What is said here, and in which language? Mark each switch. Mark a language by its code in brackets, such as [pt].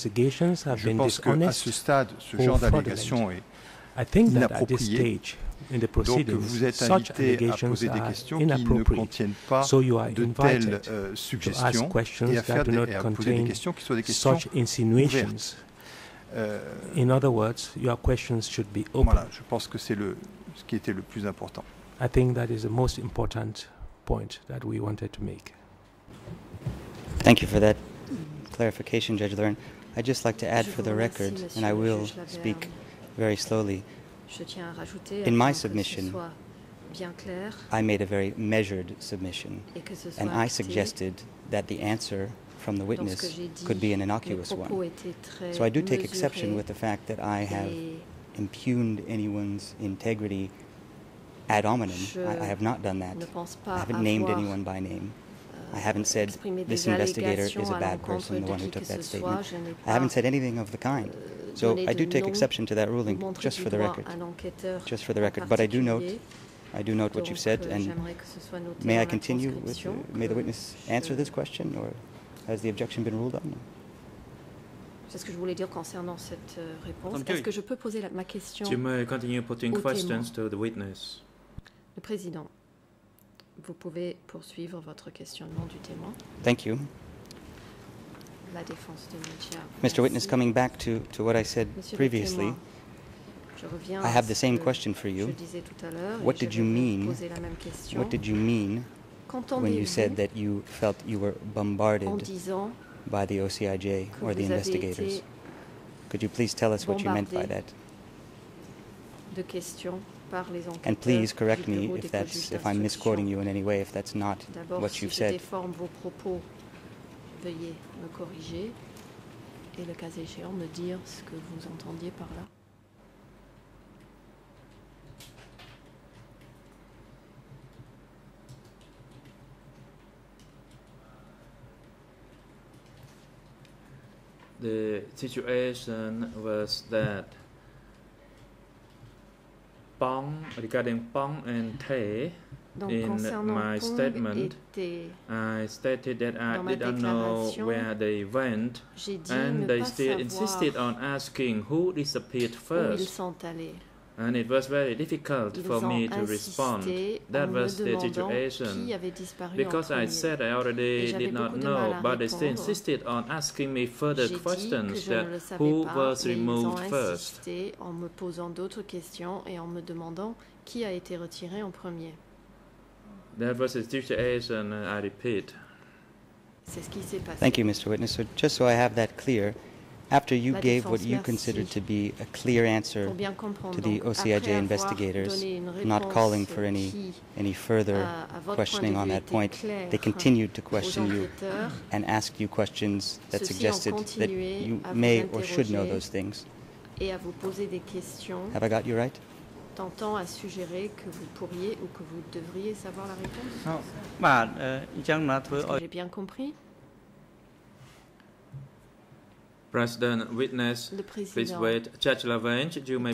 [fr] Je pense qu'à ce stade, ce genre d'allégation est inapproprié. Donc, vous êtes invité à poser des questions qui ne contiennent pas de telles suggestions et à poser des questions qui soient des questions ouvertes. [en] In other words, your questions should be open. [fr] Voilà, je pense que c'est ce qui était le plus important. [en] I think that is the most important point that we wanted to make. Thank you for that clarification, Judge Lavergne. I'd just like to add for the record, and I will speak very slowly. In my submission, I made a very measured submission, and I suggested that the answer from the witness could be an innocuous one. So I do take exception with the fact that I have impugned anyone's integrity ad hominem. I have not done that. I haven't named anyone by name. I haven't said this investigator is a bad person, the one who took that statement. I haven't said anything of the kind. So I do take exception to that ruling, just for the record. Just for the record. But I do note what you've said, and may I continue with may the witness answer this question, or has the objection been ruled on? [fr] C'est ce que je voulais dire concernant cette réponse. Est-ce que je peux poser ma question? [en] You may continue putting questions to the witness. [fr] Le président, vous pouvez poursuivre votre questionnement du témoin. [en] Thank you. [fr] La défense de Mitchell. [en] Mr. Witness, coming back to what I said previously, I have the same question for you. What did you mean? What did you mean when you said that you felt you were bombarded by the OCIJ or the investigators? Could you please tell us what you meant by that? And please correct me if I'm misquoting you in any way, if that's not what you've said. [fr] Veuillez me corriger et le cas échéant me dire ce que vous entendiez par là. [en] The situation was that Pong, regarding Pong and Te, in my statement, I stated that I didn't know where they went, and they still insisted on asking who disappeared first. And it was very difficult for me to respond. That was the situation. Because I said I already did not know, but they still insisted on asking me further questions, that who was removed first. [fr] Ils ont insisté en me posant d'autres questions et en me demandant qui a été retiré en premier. [en] That was the situation, I repeat. [fr] C'est ce qui s'est passé. [en] Thank you, Mr. Witness. So just so I have that clear, after you gave what you considered to be a clear answer to the OCIJ investigators, not calling for any further questioning on that point, they continued to question you and ask you questions that suggested that you may or should know those things. Have I got you right? [fr] Tentant à suggérer que vous pourriez ou que vous devriez savoir la réponse. Est-ce que j'ai bien compris? [en] President, witness, [fr] le président. [en] Please wait. Judge Lavergne, you may